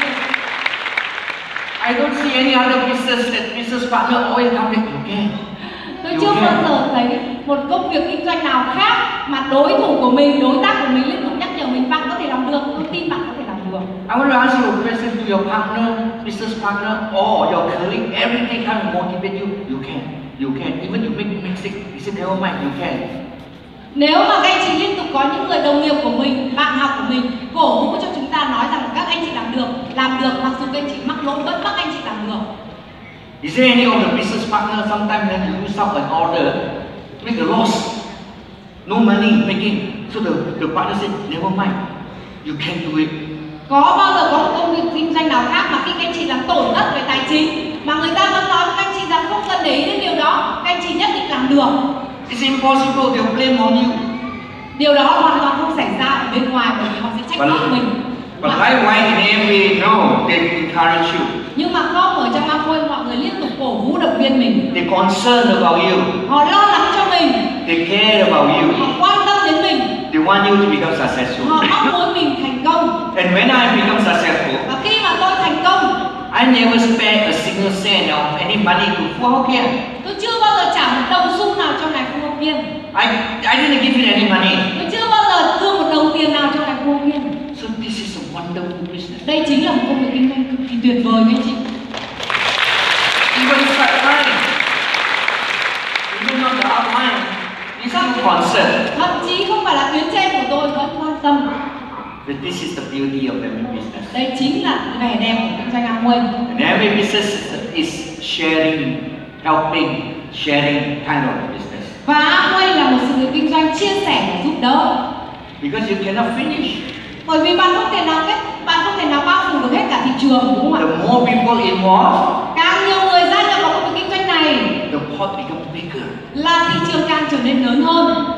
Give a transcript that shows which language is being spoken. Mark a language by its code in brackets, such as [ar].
[en] I don't see any other business that business partner always come back again. [vi] Tôi chưa bao giờ thấy một công việc kinh doanh nào khác mà đối thủ của mình, đối tác của mình liên tục nhắc nhở mình bạn có thể làm được, tôi tin bạn có thể làm được. [en] I want to ask you a question to your partner, business partner, or your colleague, everything kind of motivate you, you can, even you make mistake, you say never mind, you can. [vi] Nếu mà các anh chị liên tục có những người đồng nghiệp của mình, bạn học của mình cổ vũ cho chúng ta nói rằng các anh chị làm được mặc dù các anh chị mắc lỗi vẫn các anh chị làm được. [en] Is there any of the business partner sometimes when you lose out an order, make a loss, no money making, so the partner say never mind, you can do it. [vi] Có bao giờ có một công việc kinh doanh nào khác mà khi các anh chị làm tổn thất về tài chính mà người ta vẫn nói các anh chị rằng không cần để ý đến điều đó, các anh chị nhất định làm được. [en] It's impossible. They'll blame on you. [vi] Điều đó hoàn toàn không xảy ra ở bên ngoài bởi vì họ sẽ trách móc mình. [en] But likewise in AMA, no, they encourage you. [vi] Nhưng mà không ở trong AMA, mọi người liên tục cổ vũ động viên mình. [en] They concerned about you. [vi] Họ lo lắng cho mình. [en] They care about you. [vi] Họ quan tâm đến mình. [en] They want you to become successful. [vi] Họ mong muốn mình thành công. [en] And when I become successful. [vi] Và khi mà tôi thành công. [en] I never spend a single cent of any money to Phu Hoa Kien. [vi] Tôi chưa bao giờ trả một đồng xu nào cho ngài Phu Hoa Kien. [en] I didn't give you any money. [vi] Tôi chưa bao giờ đưa một đồng tiền nào cho ngài Phu Hoa Kien. [en] So this is a wonderful business. [vi] Đây chính là một công việc kinh doanh cực kỳ tuyệt vời nha chị. [en] Even if I find, you know the upline, it's still concerned. [vi] Thậm chí không phải là tuyến trên của tôi vẫn quan tâm. [en] But this is the beauty of every business. [vi] Đây chính là vẻ đẹp của kinh doanh Amway. [en] And every business is sharing, helping, sharing kind of business. [vi] Và Amway là một sự nghiệp kinh doanh chia sẻ và giúp đỡ. [en] Because you cannot finish. [vi] Bởi vì bạn không thể nào bao phủ được hết cả thị trường, đúng không ạ? [en] The more people involved, [vi] càng nhiều người gia nhập vào công việc kinh doanh này, [en] the pot becomes bigger. [vi] Là thị trường càng trở nên lớn hơn.